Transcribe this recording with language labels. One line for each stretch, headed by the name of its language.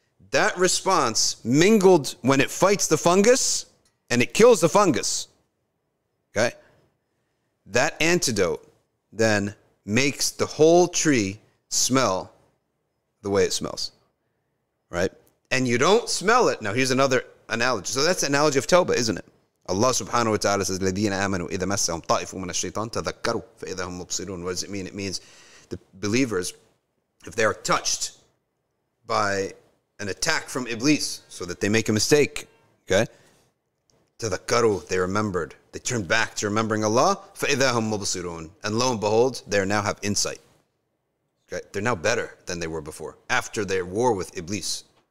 English: That response mingled when it fights the fungus and it kills the fungus. Okay? That antidote then makes the whole tree smell the way it smells. Right? And you don't smell it. Now, here's another analogy. So that's the analogy of Tawbah, isn't it? Allah subhanahu wa ta'ala says,
Arabic: الَّذِينَ آمَنُوا إِذَا مَسَّهُمْ طَائِفٌ مِنَ الشَّيْطَانِ تَذَكَّرُوا فَإِذَا هُمْ مُبْصِرُونَ.
English: What does it mean? It means the believers, if they are touched by an attack from Iblis, so that they make a mistake, okay? تَذَكَّرُوا, they remembered. They turned back to remembering Allah.
Arabic: فَإِذَا هُمْ مُبْصِرُونَ.
English: And lo and behold, they now have insight. Okay? They're now better than they were before, after their war with Iblis.